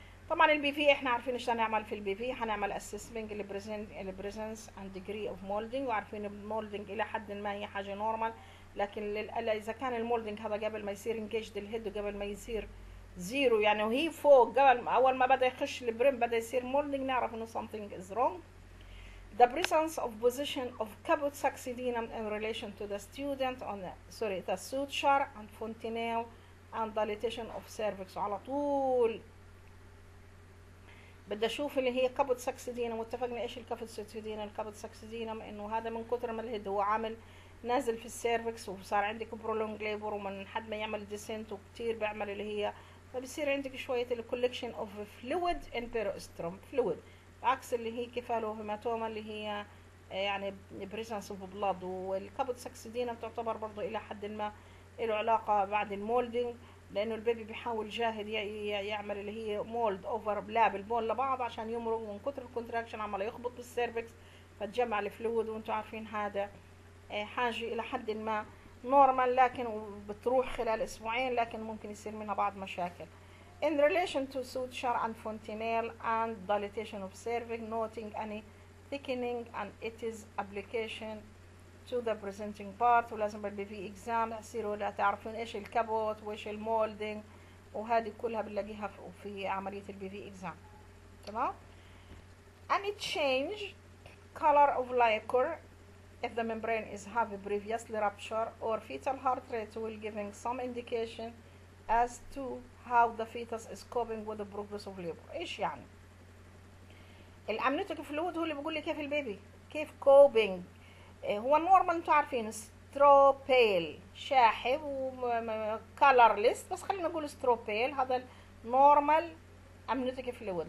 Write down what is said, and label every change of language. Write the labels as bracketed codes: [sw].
[ar] طبعا البي في احنا عارفين ايش هنعمل في البي في، هنعمل اسسمنج البريزنس اند ديجري اوف مولدنج، وعارفين المولدنج الى حد ما هي حاجه نورمال، لكن اذا كان المولدنج هذا قبل ما يصير انجيجد الهيد وقبل ما يصير زيرو يعني وهي فوق قبل اول ما بدا يخش البريم بدا يصير مولدنج، نعرف انه [en] something is wrong. The presence of position of caput succedaneum in relation to the student on the suture and fontanelle and dilatation of cervix. [ar] على طول بدي اشوف اللي هي caput succedaneum. واتفقنا ايش الكابوت succedaneum؟ الكابوت succedaneum انه هذا من كتر ما الهد هو عامل نازل في السيرفكس وصار عندك برولونج ليبر ومن حد ما يعمل ديسنت وكتير بيعمل اللي هي فبصير عندك شوية الكوليكشن اوف فلويد ان بيروستروم فلويد، عكس اللي هي كفالو هيماتوما اللي هي يعني بريزنس اوف بلاد. والكابوت ساكسيدينا بتعتبر برضو الى حد ما له علاقة بعد المولدينج لانه البيبي بيحاول جاهد يعمل اللي هي مولد اوفر لاب البول لبعض عشان يمرق، من كتر الكونتراكشن عمال يخبط بالسيرفكس فتجمع الفلويد. وانتو عارفين هذا حاجة الى حد ما نورمال لكن بتروح خلال اسبوعين، لكن ممكن يصير منها بعض مشاكل. [en] In relation to suture and fontanelle and dilatation of cervix, noting any thickening and it is application to the presenting part. [ar] ولازم بالبي في اكزام يصيروا لا تعرفون ايش الكبوت وايش المولدنج وهذه كلها بنلاقيها في عملية البي في اكزام. تمام. [en] Any change color of liquor if the membrane is have a previously rupture or fetal heart rate will giving some indication as to how the fetus is coping with the progress of labor. [ar] ايش يعني الامنيوتيك فلويد هو اللي بيقول لي كيف البيبي كيف كوبينج. هو النورمال انتوا عارفين سترو بيل شاحب وكالرليس، بس خلينا نقول سترو بيل هذا النورمال امنيوتيك فلويد.